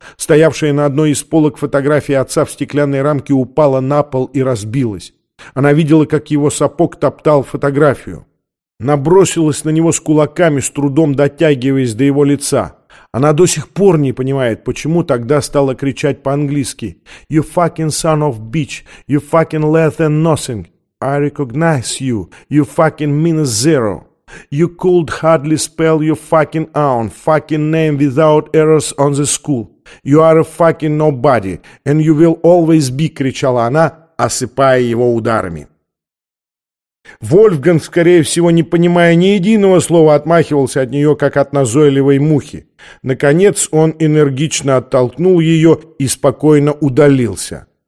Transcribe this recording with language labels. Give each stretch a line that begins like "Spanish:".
Russian: Стоявшая на одной из полок фотография отца в стеклянной рамке упала на пол и разбилась. Она видела, как его сапог топтал фотографию. Набросилась на него с кулаками, с трудом дотягиваясь до его лица. Она до сих пор не понимает, почему тогда стала кричать по-английски.
English: «You fucking son of bitch! You fucking less than nothing! I recognize you! You fucking minus zero! You could hardly spell your fucking own fucking name without errors on the school! You are a fucking nobody! And you will always be!»
Russian: — кричала она, осыпая его ударами. Вольфганг, скорее всего, не понимая ни единого слова, отмахивался от нее, как от назойливой мухи. Наконец он энергично оттолкнул ее и спокойно удалился.